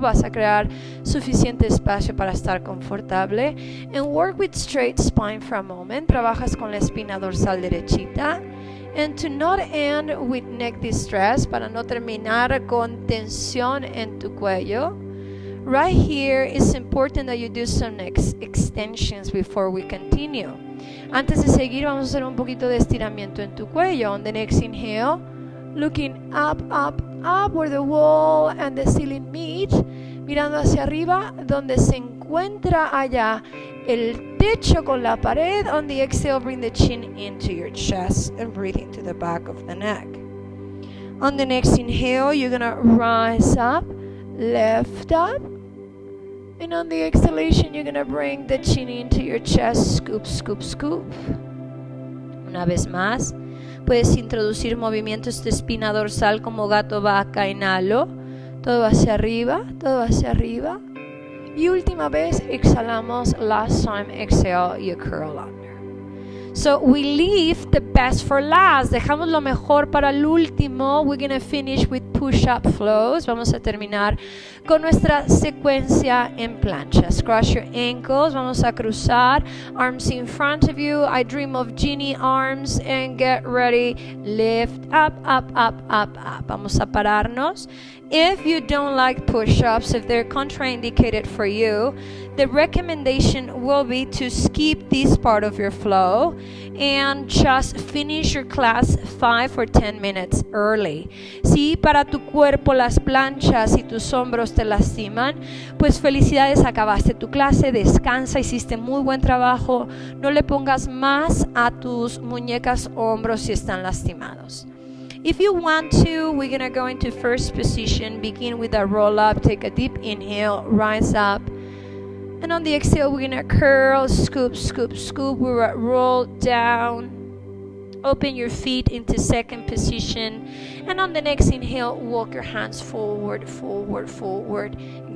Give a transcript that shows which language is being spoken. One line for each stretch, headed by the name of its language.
Spanish: Vas a crear suficiente espacio para estar confortable.
English: And work with straight spine for a moment.
Spanish: Trabajas con la espina dorsal derechita.
English: And to not end with neck distress,
Spanish: para no terminar con tensión en tu cuello.
English: Right here, it's important that you do some extensions before we continue.
Spanish: Antes de seguir, vamos a hacer un poquito de estiramiento en tu cuello.
English: On the next inhale, looking up, up, up, where the wall and the ceiling meet.
Spanish: Mirando hacia arriba, donde se encuentra allá el techo con la pared.
English: On the exhale, bring the chin into your chest and breathe into the back of the neck. On the next inhale, you're gonna rise up, lift up. And on the exhalation, you're gonna bring the chin into your chest, scoop, scoop, scoop.
Spanish: Una vez más, Puedes introducir movimientos de espina dorsal como gato vaca, inhalo. Todo hacia arriba, todo hacia arriba. Y última vez, exhalamos,
English: last time, exhale, you curl under. So we leave the best for last,
Spanish: dejamos lo mejor para el último.
English: We're going to finish with push-up flows.
Spanish: Vamos a terminar con nuestra secuencia en planchas.
English: Cross your ankles,
Spanish: vamos a cruzar,
English: arms in front of you, I dream of genie arms, and get ready, lift up, up, up, up, up.
Spanish: Vamos a pararnos.
English: If you don't like push-ups, if they're contraindicated for you, the recommendation will be to skip this part of your flow and just finish your class 5 or 10 minutes early.
Spanish: Si para tu cuerpo las planchas y tus hombros te lastiman, pues felicidades, acabaste tu clase, descansa, hiciste muy buen trabajo. No le pongas más a tus muñecas, hombros si están lastimados.
English: If you want to, we're going to go into first position. Begin with a roll up. Take a deep inhale. Rise up. And on the exhale, we're going to curl. Scoop, scoop, scoop. We're going to roll down. Open your feet into second position. And on the next inhale, walk your hands forward, forward, forward.